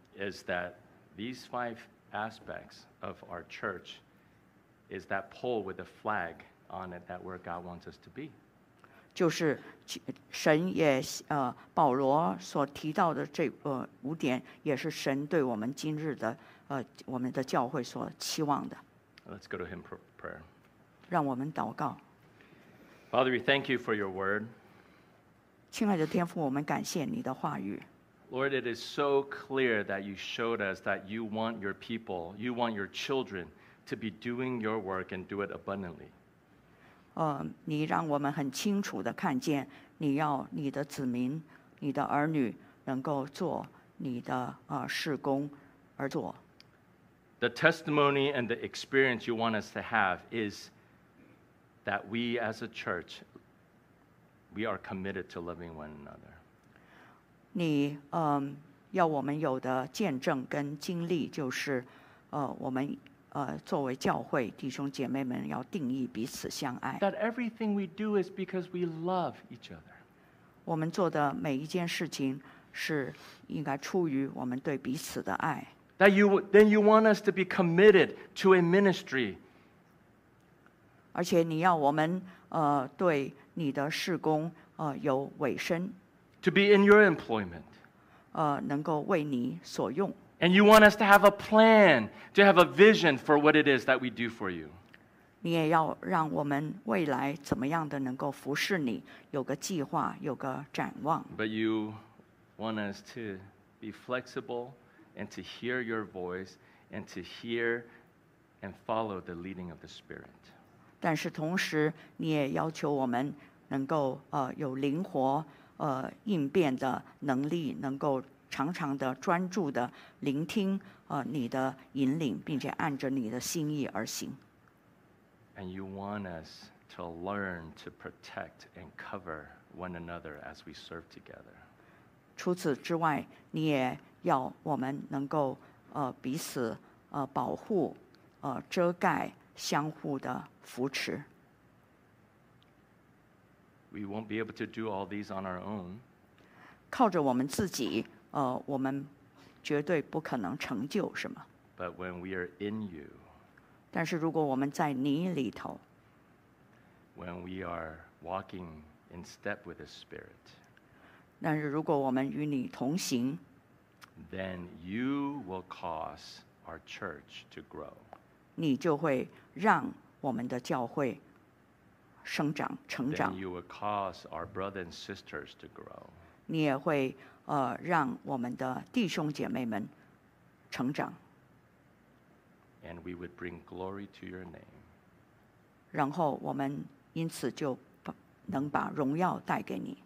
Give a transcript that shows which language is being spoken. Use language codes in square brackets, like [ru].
[en] Is that these five aspects of our church is that pole with a flag on it that where God wants us to be？ [zh] 就是神也保罗所提到的这五点，也是神对我们今日的我们的教会所期望的。 [en] Let's go to him prayer. [zh] 让我们祷告。 [en] Father, we thank you for your word. [zh] 亲爱的天父，我们感谢你的话语。 [en] Lord, it is so clear that you showed us that you want your people, you want your children to be doing your work and do it abundantly. [zh] 你让我们很清楚地看见，你要你的子民，你的儿女能够做你的事工而做。 [en] The testimony and the experience you want us to have is that we as a church we are committed to loving one another. [zh] 你要我们有的见证跟经历就是我们作为教会弟兄姐妹们要定义彼此相爱。 [en] That everything we do is because we love each other. [zh] 我们做的每一件事情是应该出于我们对彼此的爱。 [en] That you, then you want us to be committed to a ministry. [zh] 而且你要我们对你的事工有委身。 [en] To be in your employment. [zh] 能够为你所用。 [en] And you want us to have a plan, to have a vision for what it is that we do for you. [zh] 你也要让我们未来怎么样的能够服侍你，有个计划，有个展望。 [en] But you want us to be flexible and to hear your voice and to hear and follow the leading of the Spirit. [zh] 但是同时，你也要求我们能够有灵活应变的能力，能够常常的专注的聆听你的引领，并且按着你的心意而行。 [en] And you want us to learn to protect and cover one another as we serve together. [zh] 除此之外，你也要我们能够彼此保护遮盖相互的扶持。 [en] We won't be able to do all these on our own. [zh] 靠着我们自己我们绝对不可能成就什么。 [en] But when we are in you, [zh] 但是如果我们在你里头， [en] when we are walking in step with the Spirit, [zh] 但是如果我们与你同行， [en] then you will cause our church to grow. [zh] 你就会让我们的教会生长成长。 [en] Then you will cause our brothers and sisters to grow. [zh] 你也会让我们的弟兄姐妹们成长。 [en] And we would bring glory to your name. [zh] 然后我们因此就能把荣耀带给你。